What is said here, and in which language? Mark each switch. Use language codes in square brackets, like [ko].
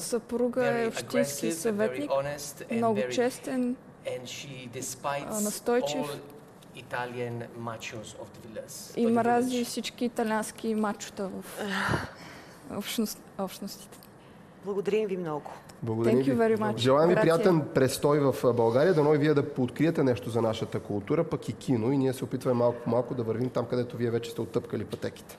[bg] Съпруга е общински съветник, много честен, [en] and she despises all Italian machos of the village. [bg] И мрази всички италиански мачота в общностите. Благодарим ви много. Благодарим [en] Thank you very much. [bg] Желаем ви приятен престой в България. Дано и вие да пооткриете нещо за нашата култура, пък и кино. И ние се опитваме малко по малко да вървим там, където вие вече сте оттъпкали пътеките.